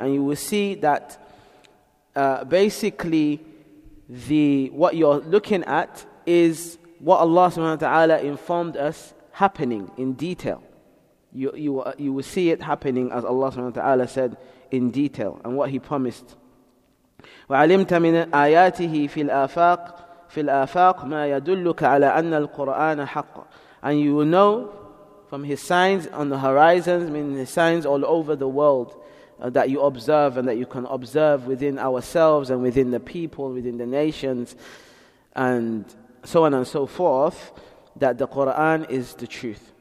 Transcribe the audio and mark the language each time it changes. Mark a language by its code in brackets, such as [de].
[en] And you will see that basically what you're looking at is what Allah subhanahu wa ta'ala informed us happening in detail. You will see it happening as Allah subhanahu wa ta'ala said in detail and what He promised. [ar] وعلمت من آياته في الآفاق ما يدلك على أن القرآن حق. [en] And you will know from His signs on the horizons, meaning His signs all over the world that you observe and that you can observe within ourselves and within the people, within the nations, and so on and so forth, that the Quran is the truth.